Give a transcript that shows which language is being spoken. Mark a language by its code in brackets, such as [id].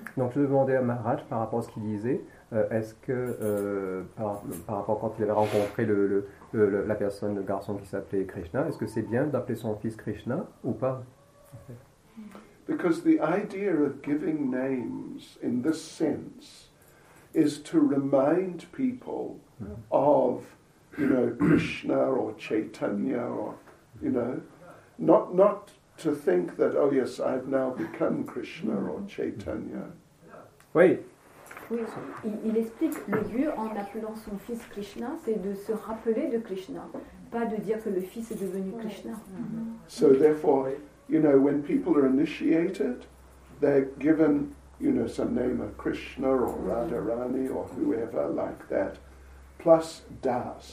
[fr] Donc je demandais à Maharaj par rapport à ce qu'il disait. Est-ce que par rapport à quand il avait rencontré la personne, le garçon qui s'appelait Krishna, est-ce que c'est bien d'appeler son fils Krishna ou pas? [en] Because the idea of giving names in this sense is to remind people of, you know, Krishna or Chaitanya or, you know, not to think that, oh yes, I've now become Krishna or Chaitanya. Wait. [fr] Oui, il explique le lieu en appelant son fils Krishna, c'est de se rappeler de Krishna, pas de dire que le fils est devenu Krishna. [en] So therefore, you know, when people are initiated, they're given, you know, some name of Krishna or Radharani or whoever like that, plus Das.